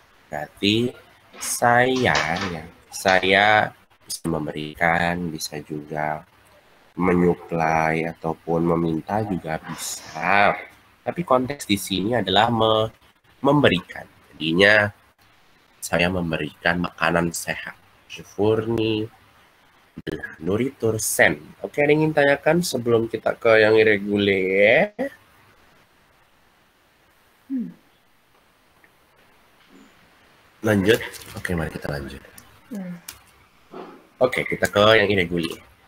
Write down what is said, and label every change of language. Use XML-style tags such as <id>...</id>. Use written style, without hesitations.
<id>Berarti, saya, ya, saya bisa memberikan, bisa juga menyuplai, ataupun meminta juga bisa. Tapi konteks di sini adalah memberikan. Jadinya, saya memberikan makanan sehat.</id> <fr>Je fournis de la nourriture saine.</fr> <id>Oke, ada yang ingin tanyakan sebelum kita ke yang irreguler? Lanjut? Oke, mari kita lanjut. Oke, kita ke yang irregulier.</id>